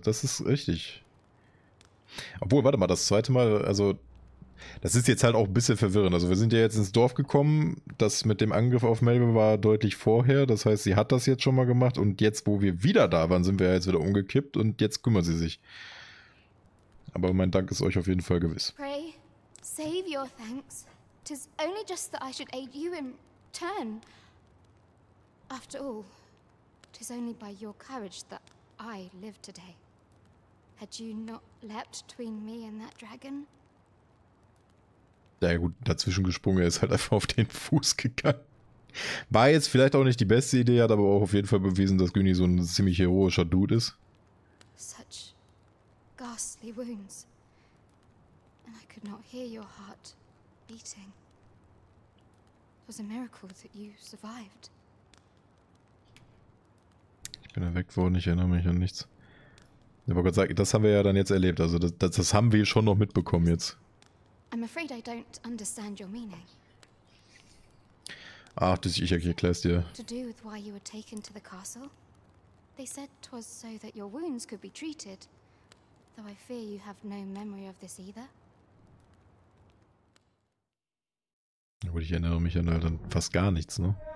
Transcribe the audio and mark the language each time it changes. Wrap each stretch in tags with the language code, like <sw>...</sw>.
<de>Das ist richtig. Obwohl, warte mal, das zweite Mal, also das ist jetzt halt auch ein bisschen verwirrend. Also wir sind ja jetzt ins Dorf gekommen. Das mit dem Angriff auf Melbourne war deutlich vorher. Das heißt, sie hat das jetzt schon mal gemacht. Und jetzt, wo wir wieder da waren, sind wir ja jetzt wieder umgekippt. Und jetzt kümmert sie sich. Aber mein Dank ist euch auf jeden Fall gewiss.</de> <en>Pray, save your thanks. Tis only just that I should aid you in turn. After all, tis only by your courage that I live today. Had you not leapt between me and that dragon?</en> <de>Ja gut, dazwischen gesprungen, er ist halt einfach auf den Fuß gegangen. War jetzt vielleicht auch nicht die beste Idee, hat aber auch auf jeden Fall bewiesen, dass Günni so ein ziemlich heroischer Dude ist.</de> <en>Such ghastly wounds. And I could not hear your heart beating. It was a miracle that you survived.</en> <de>Ich bin erweckt worden, ich erinnere mich an nichts. Ich wollte gerade sagen, das haben wir ja dann jetzt erlebt, also das haben wir schon noch mitbekommen jetzt.</de> <en>I'm afraid I don't understand your meaning.</en> <de>Ach, das ich erklär's dir.</de> <en>To do with why you were taken to the castle? They said 'twas so that your wounds could be treated. Though I fear you have no memory of this either.</en> <de>Gut, ich erinnere mich an halt dann fast gar nichts, ne?</de>